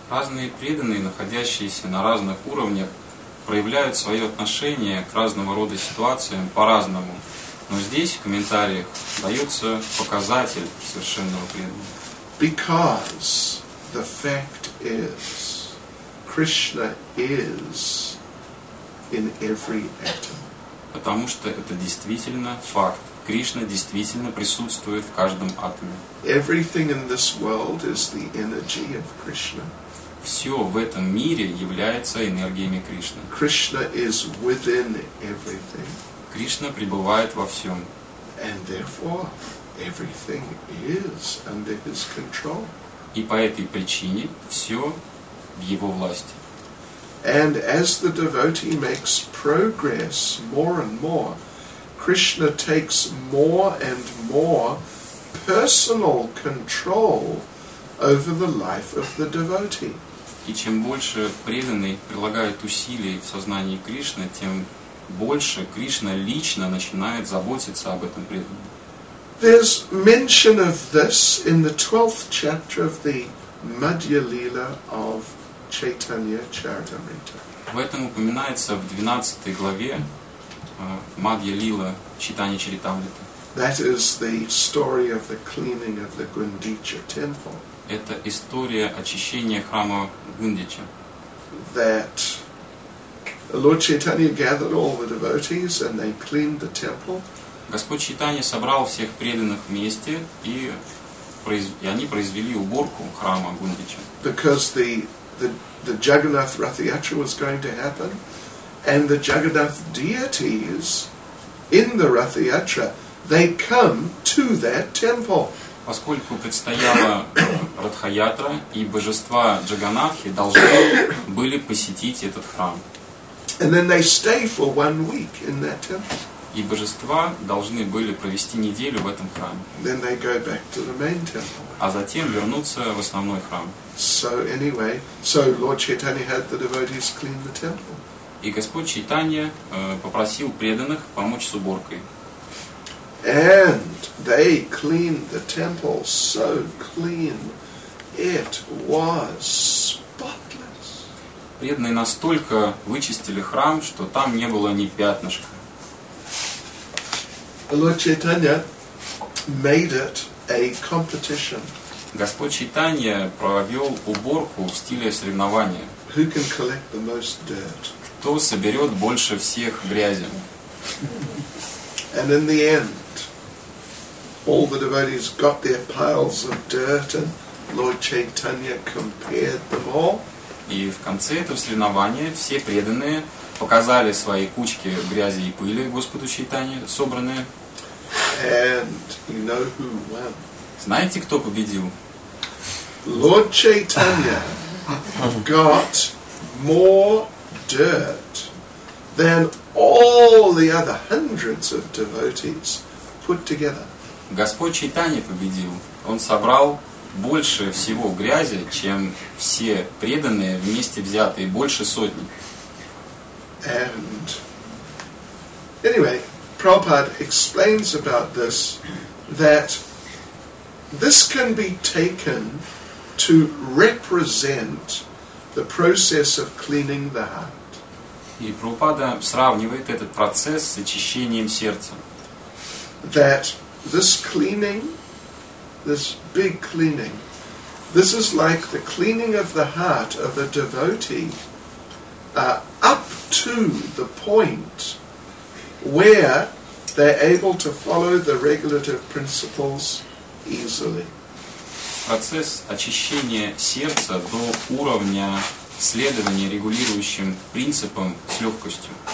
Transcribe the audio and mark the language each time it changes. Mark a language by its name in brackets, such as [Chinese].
[Russian] Разные преданные, находящиеся на разных уровнях, проявляют свое отношение к разного рода ситуациям по-разному. Но здесь в комментариях дается показатель совершенного преданного. [English] Because the fact is, Krishna is in every atom. [Russian] Потому что это действительно факт. Кришна действительно присутствует в каждом атоме. [English] Everything in this world is the energy of Krishna. [Russian] Все в этом мире является энергиями Кришны. [English] Krishna is within everything. [Russian] Кришна пребывает во всем. [English] And therefore, everything is under his control. [Russian] И по этой причине все в его власти. [English] And as the devotee makes progress more and more, Krishna takes more and more personal control over the life of the devotee. [Russian] И чем больше преданный прилагает усилий в сознании Кришны, тем больше Кришна лично начинает заботиться об этом преданном. [English] There's mention of this in the 12th chapter of the Madhya Lila of Chaitanya Charitamrita. [Russian] В этом упоминается в 12 главе Мадья Лила Чайтанья Чаритамриты. [English] That is the story of the cleaning of the Гундича temple. [Russian] Это история очищения храма Гундича. [English] That Lord Chaitanya gathered all the devotees and they cleaned the temple. [Russian] Господь Чайтанья собрал всех преданных вместе и они произвели уборку храма Гундича. [English] Because the Jagannath Rath Yatra was going to happen and the Jagannath deities in the Rath Yatra, they come to that temple. [Russian] Поскольку предстояла Ратха-Ятра, и божества Джаганнатхи должны были посетить этот храм. [English] And then they stay for one week in that temple. [Russian] И божества должны были провести неделю в этом храме. [English] Then they go back to the main temple. [Russian] А затем вернуться в основной храм. [English] So anyway, so Lord Chaitanya had the devotees clean the temple. [Russian] И Господь Чайтанья попросил преданных помочь с уборкой. [English] And they cleaned the temple so clean, it was spotless. [Russian] Преданные настолько вычистили храм, что там не было ни пятнышка. [English] Lord Chaitanya made it a competition. [Russian] Господь Чайтанья провел уборку в стиле соревнования. [English] Who can collect the most dirt? [Russian] Кто соберет больше всех грязи? [English] And in the end, all the devotees got their piles of dirt, and Lord Chaitanya compared them all. [Russian] И в конце этого соревнования все преданные показали свои кучки грязи и пыли Господу Чайтанье, собранные. [English] And you know who won? [Russian] Знаете, кто победил? [English] Lord Chaitanya got more dirt than all the other hundreds of devotees put together. [Russian] Господь Чайтанья победил. Он собрал больше всего грязи, чем все преданные вместе взятые, больше сотни. [English] And anyway, Prabhupada explains about this, that this can be taken to represent the process of cleaning the heart. [Russian] И Прабхупада сравнивает этот процесс с очищением сердца. [English] That this cleaning, this big cleaning, this is like the cleaning of the heart of a devotee up to the point where they're able to follow the regulative principles easily. [Russian] Процесс очищения сердца до уровня следования регулирующим принципам с легкостью.